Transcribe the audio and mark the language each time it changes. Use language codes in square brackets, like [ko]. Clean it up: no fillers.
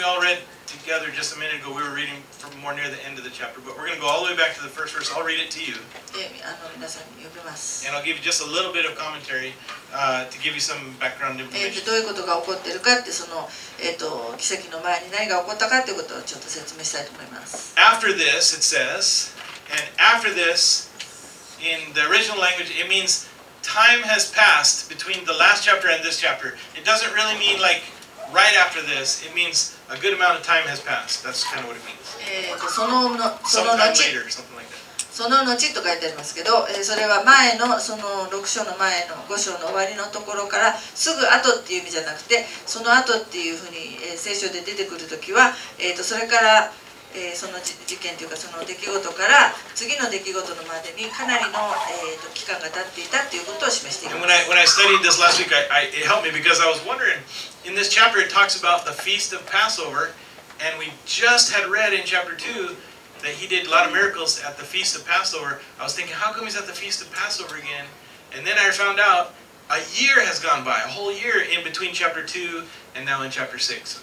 [en] When we all read together just a minute ago, we were reading from more near the end of the chapter, but we're going to go all the way back to the first verse. I'll read it to you. [ja] 皆さんに呼びます。 [en] And I'll give you just a little bit of commentary, to give you some background information. [ja] どういうことが起こってるかって、その、奇跡の前に何が起こったかということをちょっと説明したいと思います。 [en] After this, it says,And after this, in the original language, it means time has passed between the last chapter and this chapter. It doesn't really mean like right after this. It means a good amount of time has passed. That's kind of what it means. Sometime later, something like that. [ja] その後と書いてありますけど、それは前のその6章の前の5章の終わりのところからすぐ後っていう意味じゃなくて、その後っていうふうに、聖書で出てくるときは、それから、その事件というかその出来事から次の出来事のまでにかなりの、期間が経っていたということを示しています。 [en] When I studied this last week, it helped me because I was wondering, in this chapter it talks about the feast of Passover, and we just had read in chapter 2,That he did a lot of miracles at the feast of Passover. I was thinking, how come he's at the feast of Passover again? And then I found out a year has gone by, a whole year in between chapter 2 and now in chapter 6.